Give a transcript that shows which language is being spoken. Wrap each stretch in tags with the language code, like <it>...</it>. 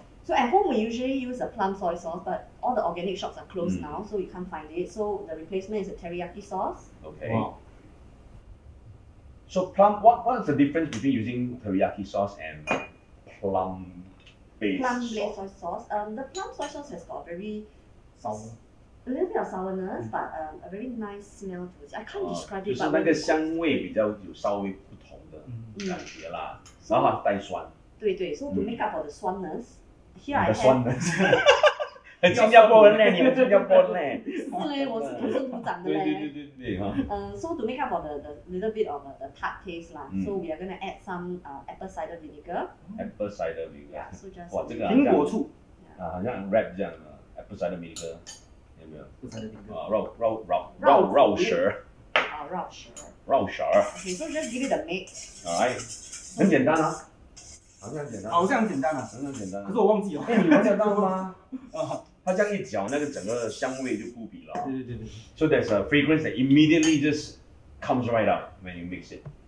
<en>So at home we usually use a plum soy sauce, but all the organic shops are closed now, so we can't find it. So the replacement is a teriyaki sauce. Okay. Wow. So plum, what is the difference between using teriyaki sauce and plum-based soy sauce? The plum soy sauce has got a very sour, a little bit of sourness, but a very nice smell to it. I can't describe it.</en> <zh>就是那个香味比较有稍微不同的感觉啦。然后它带酸。对对</zh> <en>，so to make up for the sweetness。</en> <zh>很酸的，很新加坡人嘞，你们新加坡人嘞。是嘞，我是土生土长的嘞。对对对对对哈。</zh> <en>So to make up for the little bit of the tart taste lah, so we are gonna add some apple cider vinegar. Apple cider vinegar. Yeah, so just.</en> <zh>哇，这个苹果醋。啊，好像 rap 这样的</zh> <en>apple cider vinegar,</en> <zh>有没有？啊，rau sher.</zh> <en>Okay, so just give it a mix.</en> <zh>哎，很简单啊。好像简单，好像简单啊，好像简单啊。可是我忘记了。哎，你忘记了吗？啊，它这样一嚼，那个整个香味就扑鼻了。对对对。</zh> <en>So there's a fragrance that immediately just comes right up when you mix it.</en>